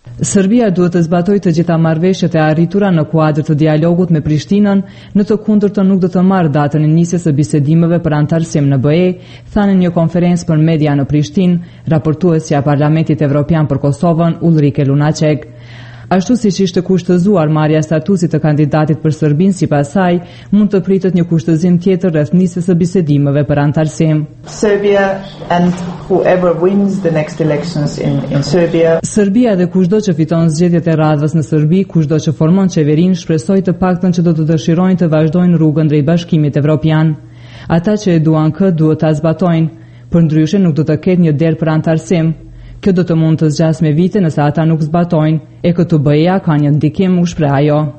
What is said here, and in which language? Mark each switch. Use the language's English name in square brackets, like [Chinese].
[Albanian] Serbia duhet të zbatojë të gjitha marrëveshjet e arritura në kuadër të dialogut me Prishtinën, në të kundërtën nuk do të marrë datën e nisjes së bisedimeve për antarësim në BE, thanë në një konferencë për media në Prishtinë raportuesja e Parlamentit Evropian për Kosovën Ulrike Lunacek. Ashtu siç ishte kushtëzuar marrja statusit të kandidatit për Serbinë, sipas saj mund të pritet një kushtëzim tjetër rreth nisjes së bisedimeve për antarësim. [English] Serbia and whoever wins the next elections in Serbia. [Albanian] Serbia dhe kushdo që fiton zgjedhjet e radhës në Serbi, kushdo që formon qeverinë, shpresoj të paktën që do të dëshirojnë të vazhdojnë rrugën drejt Bashkimit Evropian. Ata që e duan kë, duhet ta zbatojnë, përndryshe nuk do të ketë një derë për antarësim. Kjo do të mund të zgjas me vite nëse ata nuk zbatojnë, e këtu BE-ja ka një ndikim, u shpreh ajo.